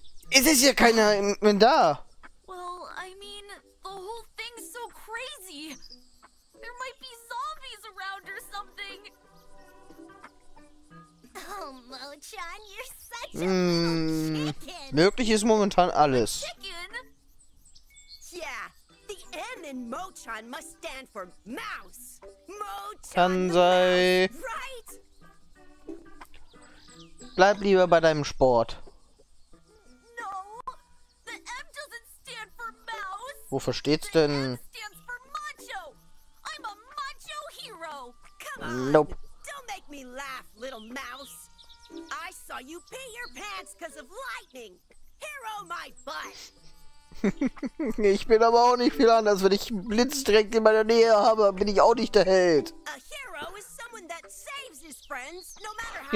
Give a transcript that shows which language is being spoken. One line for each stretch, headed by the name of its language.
German: Es ist hier keiner mehr da.
English: Well, I mean, the whole thing's so crazy. There might be zombies around or something. Oh, Mojim, you're such a chicken.
German: Möglich ist momentan alles.
English: Yeah, the M in Mojim must stand for mouse.
German: Kann sein.
English: Right.
German: Bleib lieber bei deinem Sport.
English: No, the M doesn't stand for mouse.
German: Wofür steht's denn?
English: The M stands for macho. I'm a macho hero. Come on. Nope. Don't make me laugh, little mouse. I saw you pee your pants because of lightning. Hero my butt.
German: Ich bin aber auch nicht viel anders. Wenn ich einen Blitz direkt in meiner Nähe habe, bin ich auch nicht der Held.
English: A hero is someone that saves his friends, no matter.